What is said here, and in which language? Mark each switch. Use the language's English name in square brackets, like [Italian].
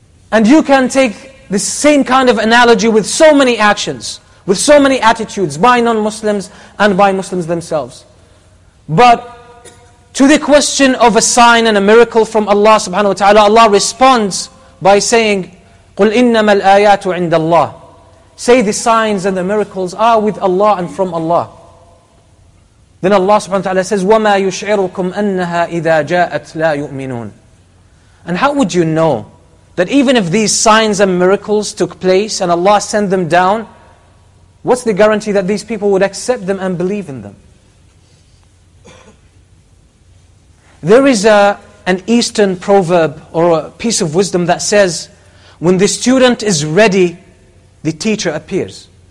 [English] And you can take this same kind of analogy with so many actions, with so many attitudes by non-Muslims and by Muslims themselves. But to the question of a sign and a miracle from Allah subhanahu wa ta'ala, Allah responds by saying, [Arabic] قُلْ إِنَّمَا الْآيَاتُ عِنْدَ اللَّهِ. [English] Say the signs and the miracles are with Allah and from Allah. Then Allah subhanahu wa ta'ala says, [Arabic] وَمَا يُشْعِرُكُمْ أَنَّهَا إِذَا جَاءَتْ لَا يُؤْمِنُونَ. [English] And how would you know that even if these signs and miracles took place and Allah sent them down, what's the guarantee that these people would accept them and believe in them? There is an Eastern proverb or a piece of wisdom that says, when the student is ready, the teacher appears.